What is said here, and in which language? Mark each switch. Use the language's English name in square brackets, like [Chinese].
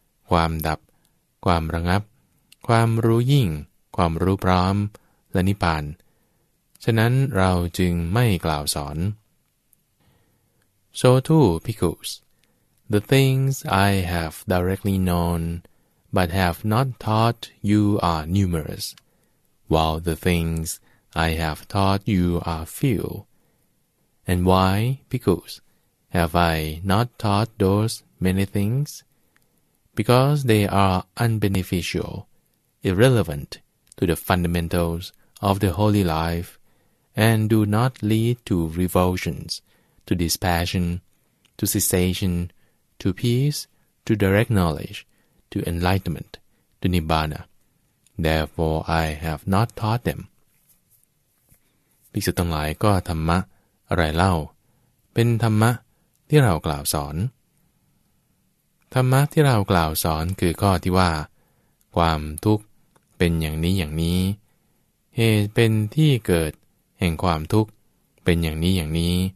[Thai] ความดับความระงับความรู้ยิ่งความรู้พร้อมและนิพพานฉะนั้นเราจึงไม่กล่าวสอน [English] So too, bhikkhus, the things I have directly known but have not taught you are numerous, while the things I have taught you are few. And why, bhikkhus, have I not taught those many things? Because they are unbeneficial, irrelevant to the fundamentals of the holy life, and do not lead to revulsions, to dispassion, to cessation, to peace, to direct knowledge, to enlightenment, to nibbana. Therefore, I have not taught them. [Thai] ภิกษุทั้งหลายก็ธรรมะอะไรเล่าเป็นธรรมะที่เรากล่าวสอนธรรมะที่เรากล่าวสอนคือข้อที่ว่าความทุกข์เป็นอย่างนี้อย่างนี้เหตุเป็นที่เกิดแห่งความทุกข์เป็นอย่างนี้อย่างนี้